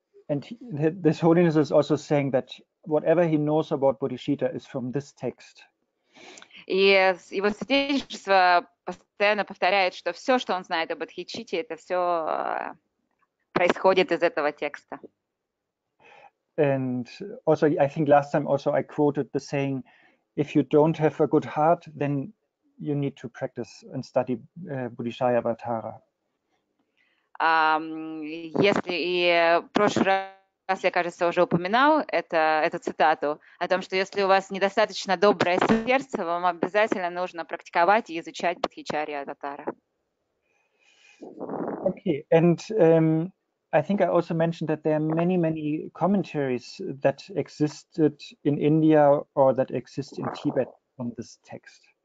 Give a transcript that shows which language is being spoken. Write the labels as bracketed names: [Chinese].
[English] And this holiness is also saying that whatever he knows about bodhicitta is from this text. [Russian] И его святейшество постоянно повторяет, что все, что он знает об бодхичитте, это все происходит из этого текста. [English] And also, I think last time also I quoted the saying, if you don't have a good heart, then you need to practice and study Bodhicitta Avatara. [Russian] Если и в прошлый раз, я, кажется, уже упоминал эту цитату о том, что если у вас недостаточно доброе сердце, вам обязательно нужно практиковать и изучать Бодхичарья Аватара. [English] Okay, and I think I also mentioned that there are many, many commentaries that existed in India or that exist in Tibet on this text.